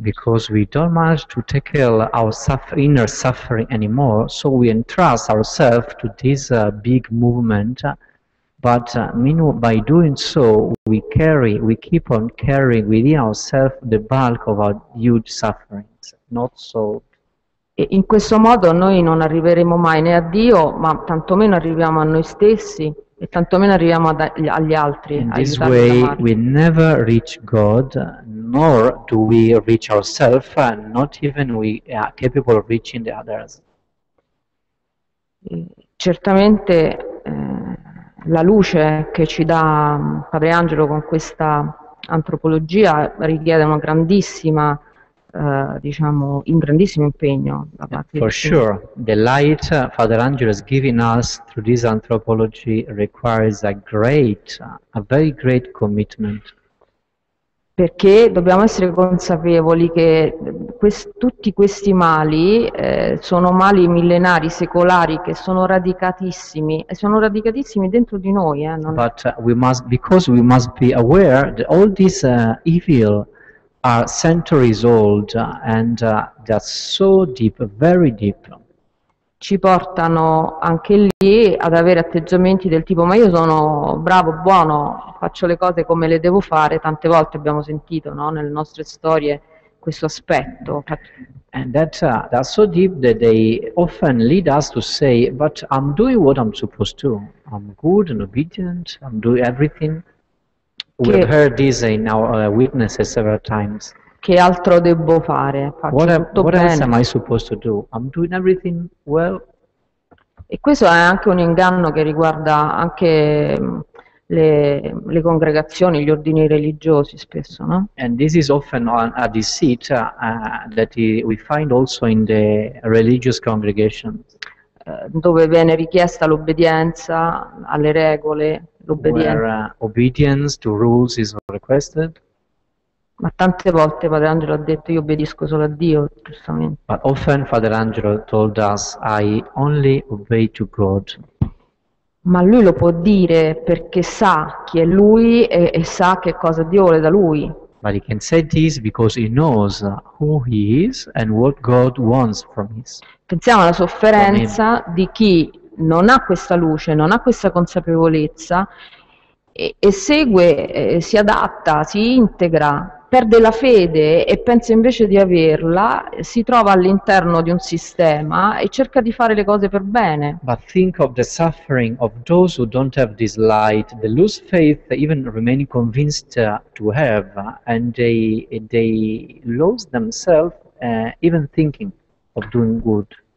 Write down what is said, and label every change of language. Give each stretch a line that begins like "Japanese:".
English: Because we don't manage to tackle our inner suffering anymore, so we entrust ourselves to this big movement, but meanwhile, by doing so, we keep on carrying within ourselves the bulk of our huge sufferings, not so.
Italian: E in questo modo noi non arriveremo mai né a Dio, ma tantomeno arriviamo a noi stessi e tantomeno arriviamo agli altri.
English: In this way we never reach God, nor do we reach ourselves, not even we are capable of reaching the others.
Italian: Certamente la luce che ci dà Padre Angelo con questa antropologia richiede una grandissima diciamo un grandissimo impegno da parte
English: for sure the light Father Angelo has given us through this anthropology requires a very great commitment,
Italian: perché dobbiamo essere consapevoli che tutti questi mali sono mali millenari, secolari, che sono radicatissimi e sono radicatissimi dentro di noi, non...
English: but we must be aware that all this evil are centuries old and that's so deep, very deep.
Italian: Ci portano anche lì ad avere atteggiamenti del tipo ma io sono bravo, buono, faccio le cose come le devo fare. Tante volte abbiamo sentito, no, nelle nostre storie questo aspetto.
English: And that's so deep that they often lead us to say but I'm doing what I'm supposed to. I'm good and obedient, I'm doing everything. We have heard this in our witnesses several times.
Italian: Che altro devo fare? Faccio tutto
English: what
Italian: bene.
English: What else am I supposed to do? I'm doing everything well.
Italian: E questo è anche un inganno che riguarda anche le congregazioni, gli ordini religiosi spesso, no?
English: And this is often a deceit that we find also in the religious congregations.
Italian: Dove viene richiesta l'obbedienza alle regole.
English: Obedience to rules is requested.
Italian: Ma tante volte Padre Angelo ha detto io obbedisco solo a Dio, giustamente.
English: But often Father Angelo told us I only obey to God.
Italian: Ma lui lo può dire perché sa chi è lui e sa che cosa Dio vuole da lui.
English: But he can say this because he knows who he is and what God wants from him.
Italian: Pensiamo alla sofferenza di chi non ha questa luce, non ha questa consapevolezza e segue, si adatta, si integra, perde la fede e pensa invece di averla, si trova all'interno di un sistema e cerca di fare le cose per bene.
English: But think of the suffering of those who don't have this light, they lose faith, even remaining convinced to have, and they lose themselves even thinking of doing good.